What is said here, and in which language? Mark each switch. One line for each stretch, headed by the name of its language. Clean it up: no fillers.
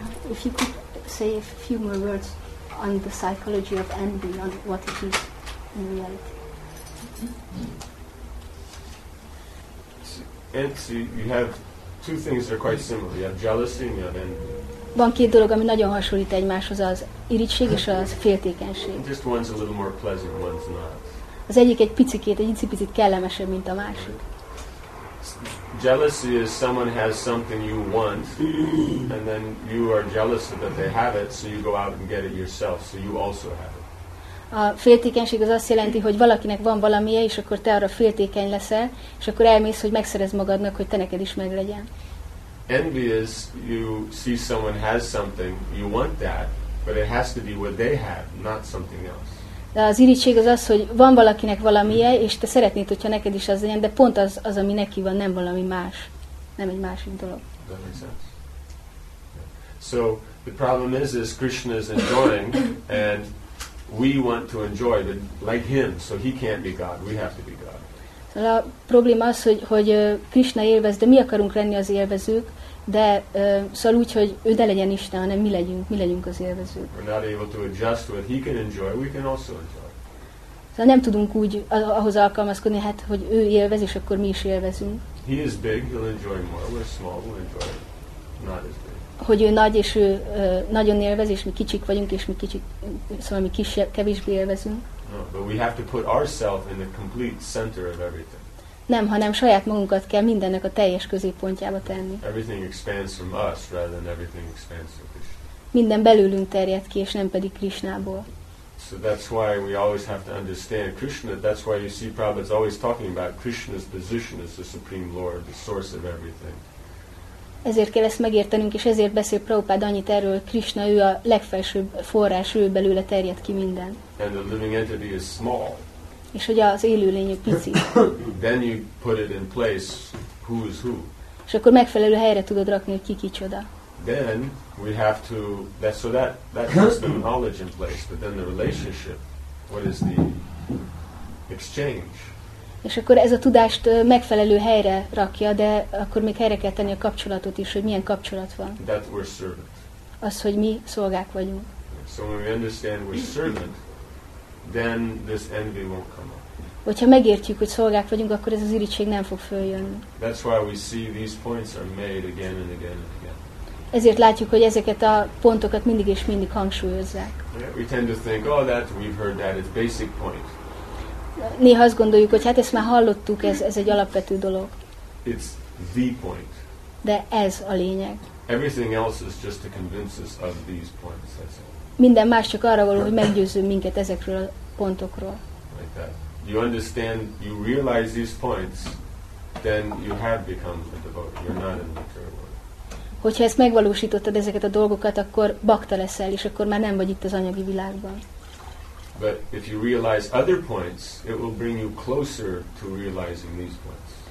English: If you could say a few more words on the psychology of envy, on what it is in reality. Envy, you have two things that are quite similar. You have jealousy and you have envy.
Hungarian: Van két dolog, ami nagyon hasonlít egymáshoz, az irigység és az féltékenység.
English: Just one's a little more pleasant, one's not.
Hungarian: Az egyik egy picikét, egy icipicit kellemesebb, mint a másik.
English: Jealousy is someone has something you want, and then you are jealous that they have it, so you go out and get it yourself, so you also have it.
Hungarian: A féltékenység az azt jelenti, hogy valakinek van valamije, és akkor te arra féltékeny leszel, és akkor elmész, hogy megszerez magadnak, hogy te neked is meglegyen.
English: Envy is you see someone has something, you want that, but it has to be what they have, not something else.
Hungarian: De az irigység az az, hogy van valakinek valamije, és te szeretnéd, hogyha neked is az legyen, de pont az, az, ami neki van, nem valami más. Nem egy másik dolog.
English: That makes sense. So, the problem is Krishna is enjoying, and we want to enjoy, but like him, so he can't be God, we have to be God.
Hungarian: A probléma az, hogy Krishna élvez, de mi akarunk lenni az élvezők, de szóval úgy, hogy ő ne legyen Isten, hanem mi legyünk az élvezők.
English: We're not able to adjust what he can enjoy, we can also enjoy.
Hungarian: Szóval nem tudunk úgy ahhoz alkalmazkodni, hát, hogy ő élvez, és akkor mi is élvezünk.
English: He is big, he'll enjoy more, we're small, we'll enjoy not as big.
Hungarian: Hogy ő nagy, és ő nagyon élvez, és mi kicsik vagyunk, és mi kicsik, szóval mi kisebb, kevésbé élvezünk.
English: No, but we have to put ourselves in the complete center of everything.
Hungarian: Nem, hanem saját magunkat kell mindennek a teljes középpontjába tenni.
English: Everything expands from us rather than everything expands from Krishna.
Hungarian: Minden belülünk terjed ki, és nem pedig Krishnából.
English: So that's why we always have to understand Krishna. That's why you see Prabhupada's always talking about Krishna's position as the Supreme Lord, the source of everything.
Hungarian: Ezért kell ezt megértenünk, és ezért beszél Prabhupád annyit erről, hogy Krishna, ő a legfelsőbb forrás, ő belőle terjed ki minden.
English: And the living entity is small.
Hungarian: És hogy az élőlény pici.
English: Then you put it in place, who is who.
Hungarian: És akkor megfelelő helyre tudod rakni, hogy ki kicsoda.
English: Then we have to, that, so that, that puts the knowledge in place, but then the relationship, what is the exchange?
Hungarian: És akkor ez a tudást megfelelő helyre rakja, de akkor még helyre kell tenni a kapcsolatot is, hogy milyen kapcsolat van.
English: That we're servant.
Hungarian: Az, hogy mi szolgák vagyunk.
English: So when we understand we're servant, then this envy won't come up.
Hungarian: Hogyha megértjük, hogy szolgák vagyunk, akkor ez az irigység nem fog följönni.
English: That's why we see these points are made again and again and again.
Hungarian: Ezért látjuk, hogy ezeket a pontokat mindig és mindig hangsúlyozzák.
English: Yeah, we tend to think, oh, that we've heard that, it's basic point.
Hungarian: Néha azt gondoljuk, hogy hát ezt már hallottuk, ez egy alapvető dolog.
English: It's the point.
Hungarian: De ez a lényeg.
English: Everything else is just to convince us of these points, that's all.
Hungarian: Minden más csak arra való, hogy meggyőzzünk minket ezekről a pontokról.
English: Like that. You understand, you realize these points, then you have become a devotee. You're not in the material world.
Hungarian: Hogyha ezt megvalósítottad ezeket a dolgokat, akkor bhakta leszel, és akkor már nem vagy itt az anyagi világban.
English: But if you realize other points, it will bring you closer to realizing these points.